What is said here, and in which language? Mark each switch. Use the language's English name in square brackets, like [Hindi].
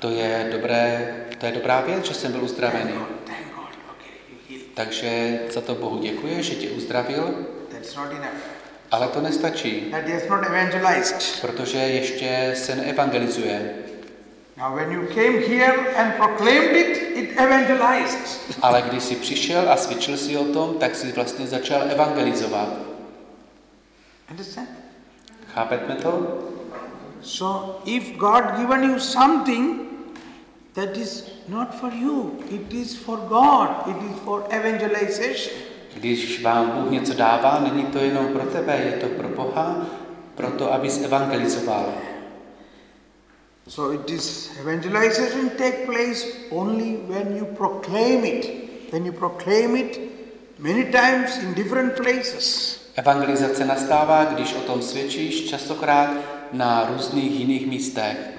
[Czech] To je dobré, to je dobrá věc, že jsem byl uzdravený. [English] Thank God. Okay, you healed. [Czech] Takže za to Bohu děkuji, že tě uzdravil. [English] That's not enough. [Czech] Ale to nestačí. [English] That is not evangelized. [Czech] Protože ještě se neevangelizuje. [English] Now when you came here and proclaimed it, it evangelized. [Czech] Ale když jsi přišel a svědčil si o tom, tak jsi vlastně začal evangelizovat. [English] Understand? [Czech] Chápete to? [English] So if God given you something that is not for you, it is for God, it is for evangelization. [Czech] Když vám Bůh něco dává, není to jenom pro tebe, je to pro Boha, proto abys evangelizoval. [English] So it is evangelization take place only when you proclaim it. When you proclaim it many times in different places. [Czech] Evangelizace nastává, když o tom svědčíš častokrát na různých jiných místech.